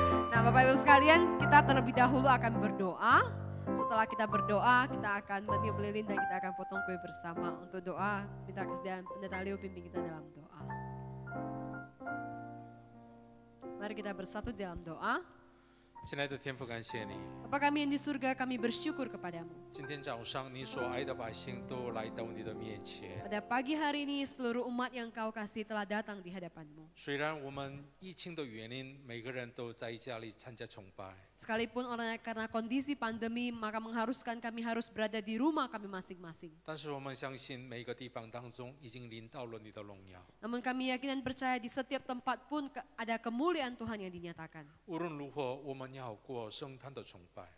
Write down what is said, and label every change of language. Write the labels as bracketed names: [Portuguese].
[Indonesian] Nah, Bapak Ibu sekalian, kita terlebih dahulu akan berdoa. Setelah kita berdoa, kita akan meniup lilin dan kita akan potong kue bersama. Untuk doa, minta kesediaan Pendeta Leo pimpin kita dalam doa. Mari kita bersatu dalam doa. [Chinese] 亲爱的天父，感谢你。 [Indonesian] Bapa kami yang di surga, kami bersyukur kepadamu. [Chinese] 今天早上，你所爱的百姓都来到你的面前。 [Indonesian] Pada pagi hari ini, seluruh umat yang kau kasih telah datang di hadapanmu. [Chinese] 虽然我们疫情的原因，每个人都在家里参加崇拜。 [Indonesian] Sekalipun oleh karena kondisi pandemi, maka mengharuskan kami harus berada di rumah kami masing-masing. [Chinese] 但是我们相信每个地方当中已经临到了你的荣耀。 [Indonesian] Namun kami yakin dan percaya di setiap tempat pun ada kemuliaan Tuhan yang dinyatakan. [Chinese] 无论如何，我们要过圣诞的崇拜。